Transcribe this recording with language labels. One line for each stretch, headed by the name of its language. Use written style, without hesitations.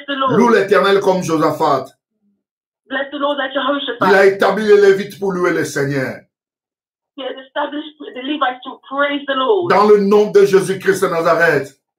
French: Loue l'Éternel comme Josaphat.
English: Bless the Lord,
French: Il a établi les Lévites pour louer le Seigneur.
English: He has established the Levites to praise the Lord.
French: Dans le nom de Jésus-Christ de Nazareth.